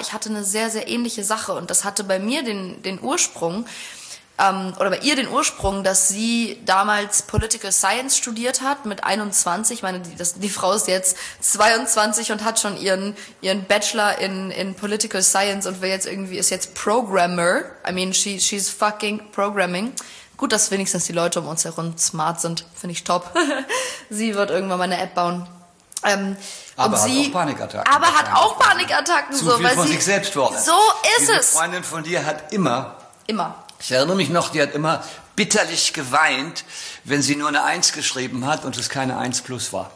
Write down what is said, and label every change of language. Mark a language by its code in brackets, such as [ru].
[de] Ich hatte eine sehr, sehr ähnliche Sache und das hatte bei mir den Ursprung, oder bei ihr den Ursprung, dass sie damals Political Science studiert hat mit 21. Ich meine, die Frau ist jetzt 22 und hat schon ihren Bachelor in Political Science und ist jetzt Programmer. [en] I mean, she's fucking programming. [de] Gut, dass wenigstens die Leute um uns herum smart sind. Finde ich top. Sie wird irgendwann mal eine App bauen. Aber hat auch Panikattacken. Zu viel von sich selbst worden. So ist Diese Freundin von dir hat immer... Immer. Ich erinnere mich noch, die hat immer bitterlich geweint, wenn sie nur eine 1 geschrieben hat und es keine 1 plus war.